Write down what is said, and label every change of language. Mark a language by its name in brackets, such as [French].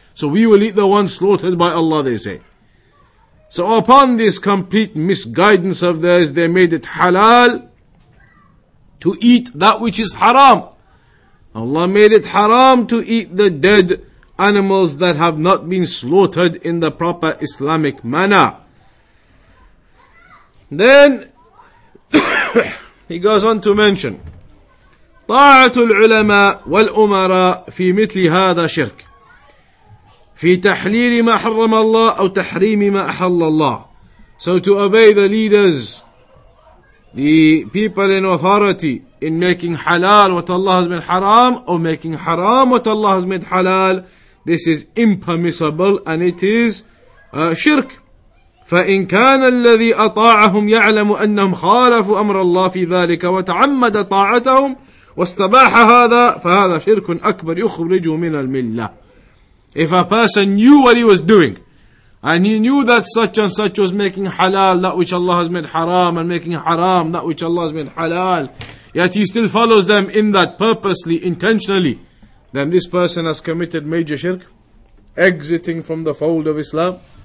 [English] So we will eat the ones slaughtered by Allah, they say. So upon this complete misguidance of theirs, they made it halal to eat that which is haram. Allah made it haram to eat the dead animals that have not been slaughtered in the proper Islamic manner. Then, he goes on to mention, [Arabic] طاعة العلماء والأمراء في مثل هذا شرك في تحليل ما حرم الله أو تحريم ما أحل الله. [English] So to obey the leaders, the people in authority, in making halal what Allah has made haram, or making haram what Allah has made halal, this is impermissible and it is shirk. [Arabic] فإن كان الذي أطاعهم يعلم أنهم خالفوا أمر الله في ذلك وتعمد طاعتهم واستباح هذا فهذا شرك أكبر يخرج من الملة. [English] If a person knew what he was doing, and he knew that such and such was making halal that which Allah has made haram, and making haram that which Allah has made halal, yet he still follows them in that purposely, intentionally, then this person has committed major shirk, exiting from the fold of Islam.